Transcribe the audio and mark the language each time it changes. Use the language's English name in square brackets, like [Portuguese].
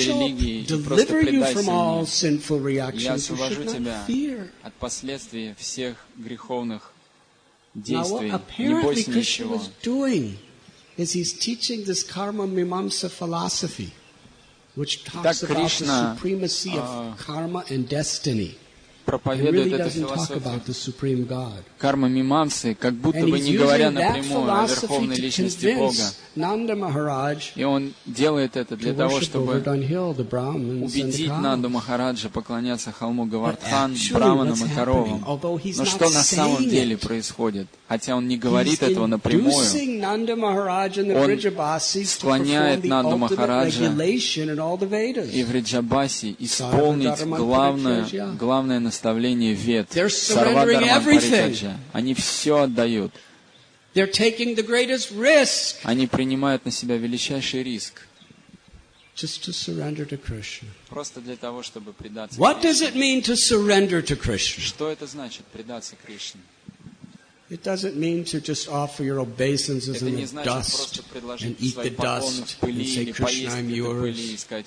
[Russian] религии и просто предайся мне. [English] Deliver you from all sinful reactions. [Russian] Я освобожу тебя от последствий всех греховных действий. Не бойся ничего. [English] Is he's teaching this karma mimamsa philosophy, which talks about the supremacy of karma and destiny. [Russian] Проповедует [English] really doesn't talk about the supreme god. [Russian] Карма мимамсы, как будто бы не говоря напрямую о верховной личности Бога. [English] Nanda Maharaj, [Russian] и он делает это для того, чтобы убедить Нанду Махараджа поклоняться холму Говардхан, браманам и коровам. Но что на самом деле происходит? Хотя он не говорит этого напрямую. Он склоняет Нанду Махараджа и Вриджабаси исполнить главное наставление Вед. Сарвадарман Парикаджа. Они все отдают. [English] They're taking the greatest risk. [Russian] Они принимают на себя величайший риск. [English] Just to surrender to Krishna. [Russian] Просто для того, чтобы предаться Кришне. [English] What does it mean to surrender to Krishna? [Russian] Что это значит предаться Кришне? [English] It doesn't mean to just offer your obeisances in the dust and eat the dust and say, Krishna, I'm yours.